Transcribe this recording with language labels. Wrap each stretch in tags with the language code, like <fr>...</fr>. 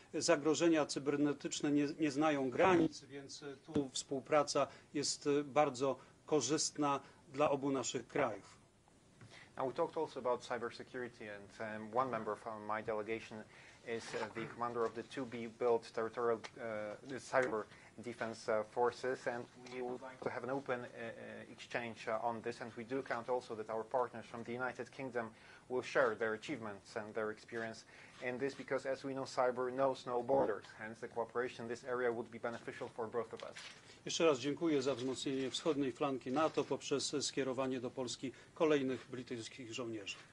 <pl>Zagrożenia cybernetyczne nie znają granic, więc tu współpraca jest bardzo korzystna dla obu naszych krajów.</pl> <en>Now we talked also about cybersecurity, and one member from my delegation is the commander of the 2B built territorial cyber defense forces, and we would like to have an open exchange on this, and we do count also that our partners from the United Kingdom will share their achievements and their experience in this, because as we know, cyber knows no borders, hence the cooperation in this area would be beneficial for both of us.</en> <pl>Jeszcze raz dziękuję za wzmocnienie wschodniej flanki NATO poprzez skierowanie do Polski kolejnych brytyjskich żołnierzy.</pl>